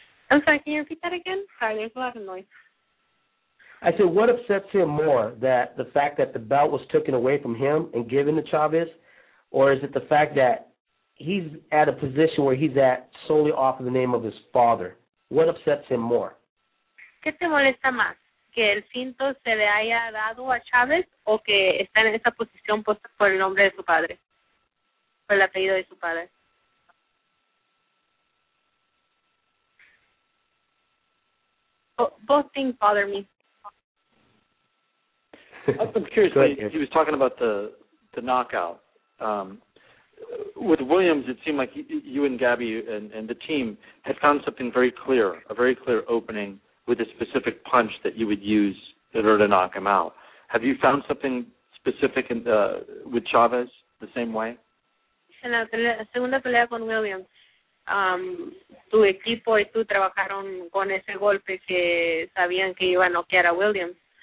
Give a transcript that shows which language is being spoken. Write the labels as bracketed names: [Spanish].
[English] I'm sorry, can you repeat that again? Sorry, there's a lot of noise. I said, what upsets him more, that the fact that the belt was taken away from him and given to Chavez, or is it the fact that he's at a position where he's at solely off of the name of his father? What upsets him more? [Spanish] ¿Qué te molesta más? ¿Que el cinto se le haya dado a Chávez o que está en esa posición puesta por el nombre de su padre? Por el apellido de su padre. [English] Both things bother me. I'm curious, he was talking about the knockout. With Williams, it seemed like you and Gabby and the team had found something very clear, a very clear opening with a specific punch that you would use in order to knock him out. Have you found something specific with Chavez the same way? [Spanish] En la segunda pelea con Williams, tu equipo y tú trabajaron con ese golpe que sabían que iba a noquear a Williams.